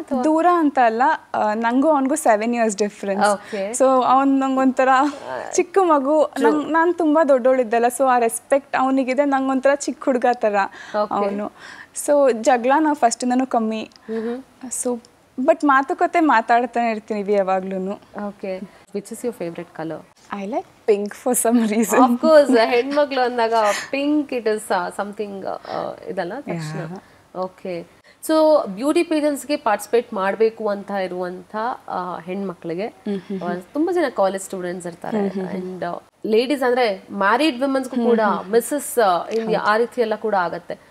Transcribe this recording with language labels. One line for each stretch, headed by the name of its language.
Kannada: ದೂರ ಅಂತ ಅಲ್ಲ, ನಂಗೂ ಅವನಿಗೂ
English: 7 years
Kannada: ಡಿಫ್ರೆನ್ಸ್. ಸೊ ಅವನ್ ನಂಗೊಂಥರ ಚಿಕ್ಕ ಮಗು, ನಾನು ತುಂಬಾ ದೊಡ್ಡವಳಿದ್ದಲ್ಲ, ಸೊ ಆ ರೆಸ್ಪೆಕ್ಟ್ ಅವನಿಗಿದೆ, ನಂಗೊಂಥರ ಚಿಕ್ಕ ಹುಡುಗ ತರ ಅವನು. ಸೊ ಜಗಳ ನಾವು ಫಸ್ಟಿಂದನು ಕಮ್ಮಿ. ಸೊ ಬಟ್ ಮಾತುಕತೆ ಮಾತಾಡ್ತಾನೆ ಇರ್ತೀನಿ ಯಾವಾಗ್ಲೂ.
English: Which is your favorite color? I like pink for some reason. Of course,
Kannada: ಹೆಣ್ಮಗ್ಳು ಅಂದಾಗ
English: pink it is something
Kannada: ಇದಲ್ಲ ತಕ್ಷಣ. ಓಕೆ, ಸೊ ಬ್ಯೂಟಿ ಪೇಜನ್ಸ್ಗೆ ಪಾರ್ಟಿಸಿಪೇಟ್ ಮಾಡಬೇಕು ಅಂತ ಇರುವಂಥ ಹೆಣ್ಮಕ್ಳಿಗೆ ತುಂಬ ಜನ ಕಾಲೇಜ್ ಸ್ಟೂಡೆಂಟ್ಸ್ ಇರ್ತಾರೆ, ಅಂಡ್ ಲೇಡೀಸ್ ಅಂದರೆ ಮ್ಯಾರಿಡ್ ವುಮೆನ್ಸ್ಗೂ ಕೂಡ ಮಿಸ್ಸಸ್ ಇಂಡಿಯಾ ಆ ರೀತಿ ಎಲ್ಲ ಕೂಡ ಆಗುತ್ತೆ.